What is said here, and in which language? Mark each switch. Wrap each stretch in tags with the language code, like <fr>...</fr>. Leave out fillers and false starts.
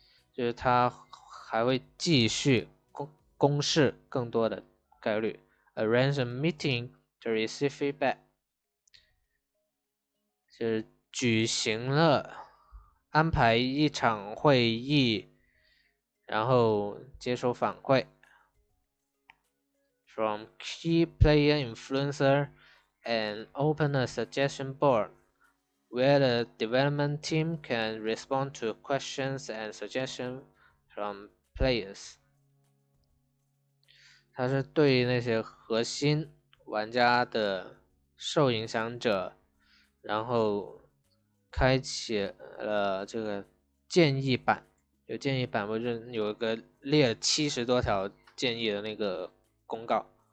<zh>就是它还会继续公示更多的概率。</zh> <en>Arrange a meeting to receive feedback.</en> <zh>就是举行了，安排一场会议，然后接受反馈。</zh> <en>From key player influencer. And open a suggestion board where the development team can respond to questions and suggestions from players。</en> <zh>它是对那些核心玩家的受影响者，然后开启了这个建议板，有建议板，不是有一个列了70多条建议的那个公告。</zh>